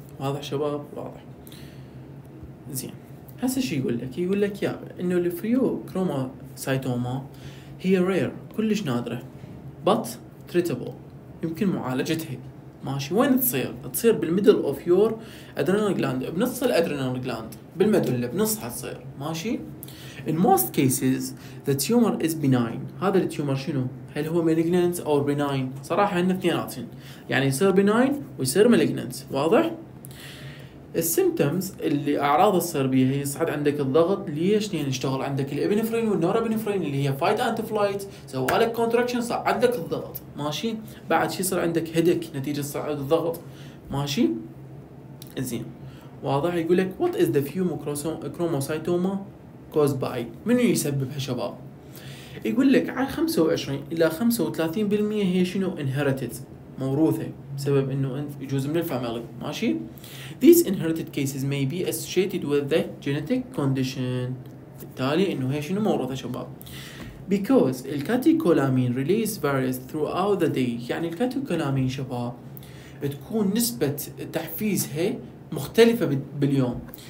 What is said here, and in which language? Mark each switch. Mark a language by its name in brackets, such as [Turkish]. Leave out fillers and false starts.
[Arabic] واضح شباب واضح زين. هسه شو يقول لك؟ يقول لك يا انه الفريو كروما سايتوما هي رير، كلش نادرة، [English] but treatable، [Arabic] يمكن معالجتها. ماشي وين تصير؟ تصير بالميدل اوف يور ادرينال جلاند، بنص الادرينال جلاند بالمدلة بنصها تصير. ماشي [English] in most cases the tumor is benign. [Arabic] هذا التيومر شنو؟ هل هو [English] malignant or benign؟ [Arabic] صراحة هن اثنيناتهم، يعني يصير benign ويصير malignant. واضح السيمتومز اللي اعراض تصير بيها هي صعد عندك الضغط. ليش؟ لان اشتغل عندك الابنفرين والنورابنفرين اللي هي فايت انت فلايت، سوالك كونتراكشن صعد لك الضغط. ماشي بعد شي صار عندك هيدك نتيجه صعد الضغط. ماشي زين واضح. يقول لك وات از ذا فيو كروموسايتوما كوز باي، منو يسببها شباب؟ يقول لك على 25 الى 35% هي شنو؟ انهيرتد، موروثه بسبب انه انت يجوز من الفاميلي. ماشي [English] these inherited cases may be associated with the genetic condition. [Arabic] بالتالي انه هي شنو؟ موروثة شباب. because الكاتيكولامين [English] release various throughout the day، [Arabic] يعني الكاتيكولامين شباب تكون نسبة تحفيزها مختلفة باليوم.